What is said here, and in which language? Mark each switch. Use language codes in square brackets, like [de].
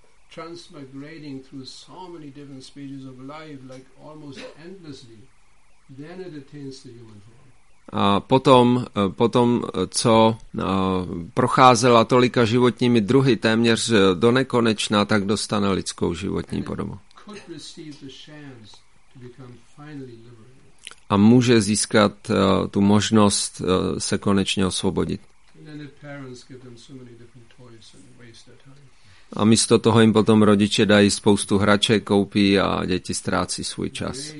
[en] Transmigrating through so many different stages of life, like almost endlessly, then it attains the human form. [cs] A potom, co procházela tolika životními druhy téměř do nekonečna, tak dostane lidskou životní podobu. [en] Could receive the chance to become finally liberated. [cs] A může získat tu možnost se konečně osvobodit. [en] And then the parents give them so many different toys and waste their time. [cs] A místo toho jim potom rodiče dají spoustu hraček, koupí a děti ztrácí svůj čas.